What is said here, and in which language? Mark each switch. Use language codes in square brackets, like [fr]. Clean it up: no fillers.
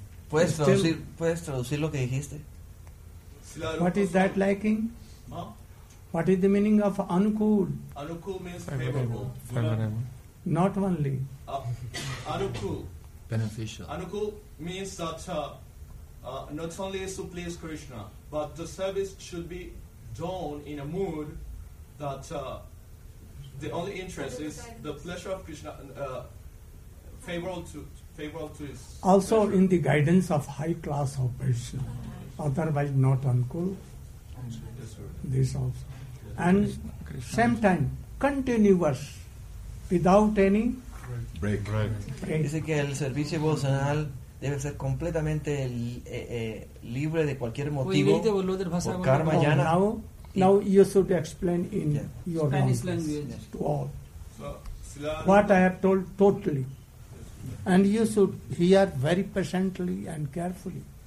[es] ¿Puedes traducir lo que dijiste? [en] What is that liking? Huh? What is the meaning of anukul? Anukul means favorable. Not only. Anukul. Beneficial. Anukul means that not only is to please Krishna, but the service should be done in a mood that the only interest is the pleasure of Krishna, favorable to his also pleasure. In the guidance of high class of person, otherwise not uncool. This also. And same time, continuous, without any break. [es] Dice que el servicio devocional debe ser completamente libre de cualquier motivo por karma jnana. [en] Now you should explain in your Spanish language to all what I have told totally. And you should hear very patiently and carefully.